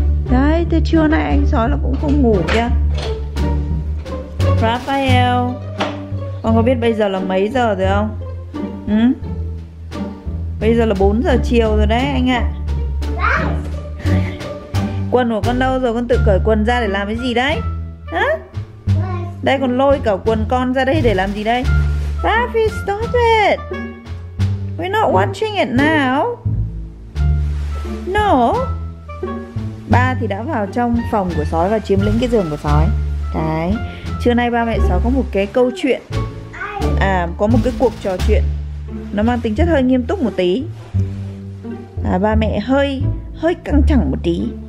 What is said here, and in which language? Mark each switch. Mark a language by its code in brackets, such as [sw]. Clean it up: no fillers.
[vi] Đấy, từ trưa nay anh sói là cũng không ngủ kìa. Raphael, con có biết bây giờ là mấy giờ rồi không? Bây giờ là 4 giờ chiều rồi đấy anh ạ. Quần của con đâu rồi? Con tự cởi quần ra để làm cái gì đấy? Hả? Đây còn lôi cả quần con ra đây để làm gì đây? [en] Rafi, stop it. We're not watching it now. No. [vi] Ba thì đã vào trong phòng của sói và chiếm lĩnh cái giường của sói. Đấy. Trưa nay ba mẹ sói có một cái câu chuyện. À, có một cái cuộc trò chuyện. Nó mang tính chất hơi nghiêm túc một tí. Ba mẹ hơi căng thẳng một tí.